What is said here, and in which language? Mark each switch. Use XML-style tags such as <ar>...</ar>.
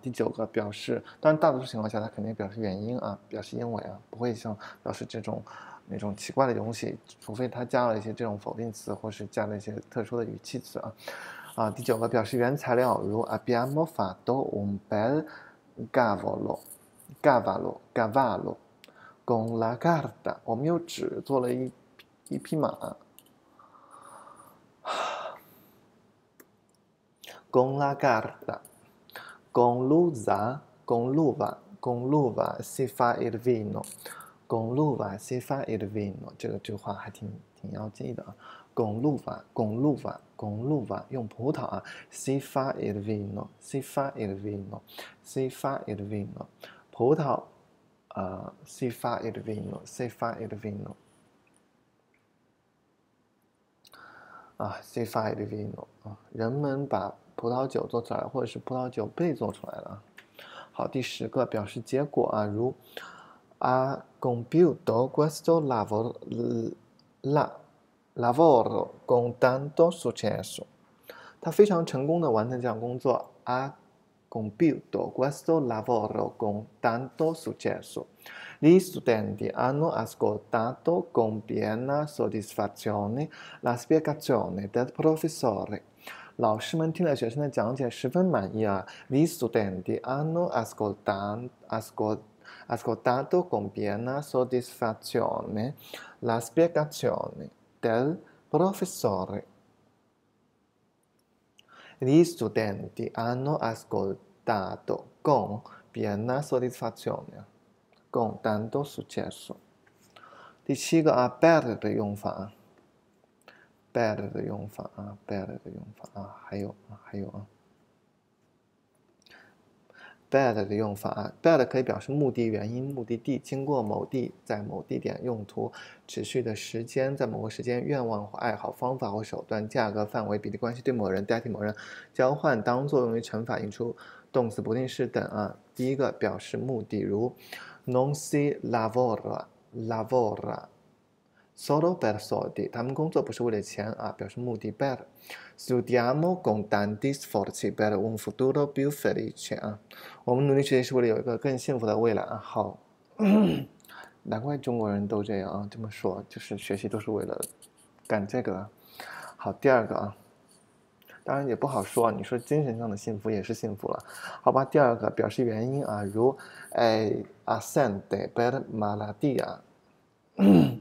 <zh>第九个表示，当然大多数情况下它肯定表示原因啊，表示因为啊，不会像表示这种那种奇怪的东西，除非它加了一些这种否定词，或是加了一些特殊的语气词啊。啊，第九个表示原材料，如</zh> <it>abbiamo fatto un bel cavallo con la carta，</it> <zh>我们用纸做了一匹马。</zh> <it>con la carta，con l'uva si fa il vino，con l'uva si fa il vino，</it> <zh>这句话还挺要记的啊。</zh> <it>con l'uva</it> <zh>用葡萄啊，</zh> <it>si fa il vino，si fa il vino，si fa il vino，</it> <zh>葡萄，</zh> <it>si fa il vino，si fa il vino，啊，si fa il vino 啊，</it> <zh>人们把葡萄酒做出来，或者是葡萄酒被做出来了。好，第十个表示结果啊，如</zh> <it>ha compiuto questo lavoro lavoro con tanto successo，</it> <zh>他非常成功的完成这项工作。</zh> <it>Ha compiuto questo lavoro con tanto successo。 Gli studenti hanno ascoltato con piena soddisfazione la spiegazione del professore。</it> <zh>老师们听了学生的讲解，十分满意啊。</zh> <it>Gli studenti hanno ascoltato con piena soddisfazione la spiegazione del professore. Gli studenti hanno ascoltato con piena soddisfazione, con tanto successo.</it> <zh>第七个啊，per 的用法，per 的用法啊，per 的用法啊，还有啊，per 的用法啊，per 可以表示目的、原因、目的地、经过某地、在某地点、用途、持续的时间、在某个时间、愿望或爱好、方法或手段、价格、范围、比例关系、对某人、代替某人、交换、当作用于乘法、引出动词、不定式等啊。第一个表示目的，如</zh> <it>non si lavora solo per soldi，</it> <zh>他们工作不是为了钱啊，表示目的。</zh> <it>per studiamo con tanti sforzi per un futuro più felice 啊，</it> <zh>我们努力学习是为了有一个更幸福的未来啊。好，难怪中国人都这样啊，这么说就是学习都是为了干这个。好，第二个啊，当然也不好说啊，你说精神上的幸福也是幸福了，好吧？第二个表示原因啊，如</zh> <it>assente per malattia。</it>